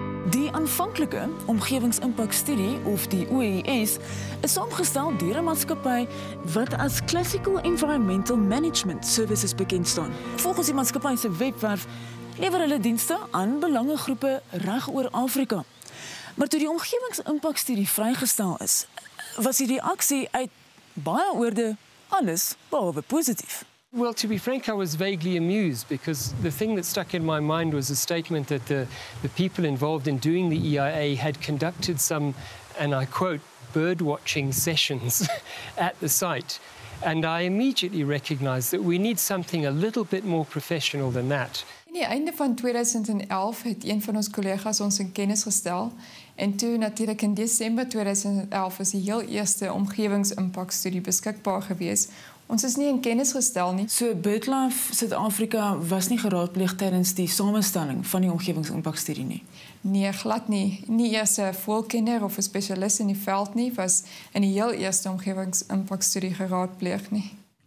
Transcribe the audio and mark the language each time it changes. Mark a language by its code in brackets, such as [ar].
[af] Die aanvanklike omgewingsimpakstudie of die OES is saamgestel deur 'n maatskappy wat as Classical Environmental Management Services bekend staan. Volgens die maatskappy se webwerf lewer hulle dienste aan belangegroepe reg oor Afrika. Maar toe die omgewingsimpakstudie vrygestel is, was die reaksie uit baie oorde alles behalwe positief. [en] Well, to be frank, I was vaguely amused because the thing that stuck in my mind was a statement that the people involved in doing the EIA had conducted some, and I quote, bird watching sessions at the site. And I immediately recognized that we need something a little bit more professional than that. [af] In die einde van 2011 het een van ons kollegas ons in kennis gestel en toe natuurlik in Desember 2011 is die heel eerste omgewingsimpakstudie beskikbaar gewees. Ons is nie in kennis gestel nie. So BirdLife Suid-Afrika was nie geraadpleeg tydens die samestelling van die omgewingsimpakstudie nie. Nee, glad nie. Nie eers 'n voëlkenner of 'n spesialis in die veld nie was in die heel eerste omgewingsimpakstudie geraadpleeg nie.